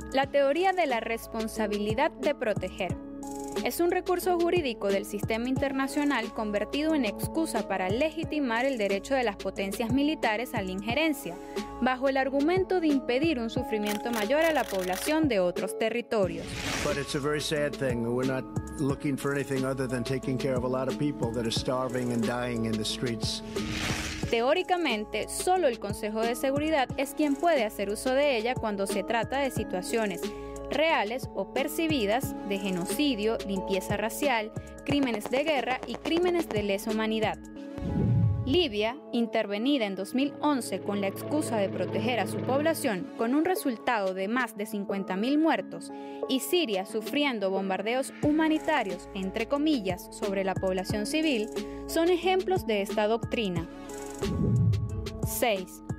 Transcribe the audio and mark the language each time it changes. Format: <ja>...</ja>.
<es>La teoría de la responsabilidad de proteger. Es un recurso jurídico del sistema internacional convertido en excusa para legitimar el derecho de las potencias militares a la injerencia, bajo el argumento de impedir un sufrimiento mayor a la población de otros territorios.</es> <en>But it's a very sad thing. We're not looking for anything other than taking care of a lot of people that are starving and dying in the streets.</en> <es>Teóricamente, solo el Consejo de Seguridad es quien puede hacer uso de ella cuando se trata de situaciones reales o percibidas de genocidio, limpieza racial, crímenes de guerra y crímenes de lesa humanidad. Libia, intervenida en 2011 con la excusa de proteger a su población con un resultado de más de 50.000 muertos, y Siria sufriendo bombardeos humanitarios, entre comillas, sobre la población civil, son ejemplos de esta doctrina. 6.</es>